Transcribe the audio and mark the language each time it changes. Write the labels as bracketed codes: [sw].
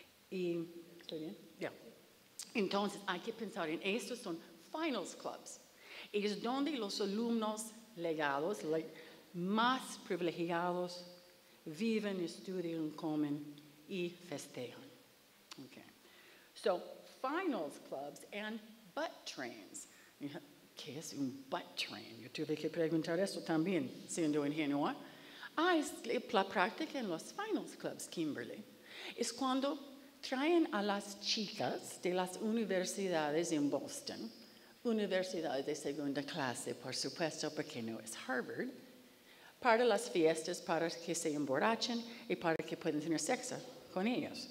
[es] Y, ¿estoy bien? Ya. Entonces hay que pensar en estos son finals clubs. Es donde los alumnos legados, más privilegiados, viven, estudian, comen y festejan. [en] Okay. So, finals clubs and butt trains. [es] ¿Qué es un butt train? Yo tuve que preguntar eso también, siendo ingenua. Ah, es la práctica en los finals clubs, Kimberly. Es cuando traen a las chicas de las universidades en Boston, universidades de segunda clase, por supuesto, porque no es Harvard, para las fiestas, para que se emborrachen y para que puedan tener sexo con ellos.